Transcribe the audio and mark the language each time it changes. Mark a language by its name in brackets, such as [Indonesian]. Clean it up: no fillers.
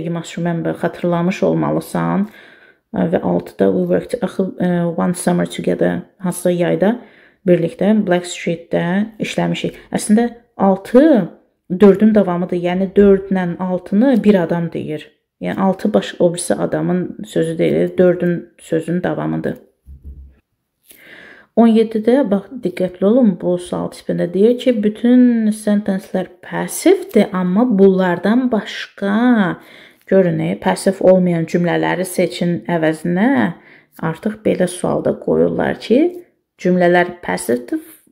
[English] You must remember, [Azerbaijani] xatırlamış olmalısan. Və 6-da, [English] we worked one summer together. [Azerbaijani] Hansısa yayda birlikdə Blackstreet'də işləmişik. Əslində, 6 4-ün davamıdır. Yəni 4-lə 6-nı bir adam deyir. Yəni 6 baş obrisi adamın sözü deyil, 4-ün sözünün davamıdır. 17-də bax diqqətli olun, bu sual tipində deyir ki, bütün sentenslər passivdir, amma bunlardan başqa görünə passiv olmayan cümlələri seçin əvəzinə. Artıq belə sualda qoyurlar ki, cümlələr passivdir.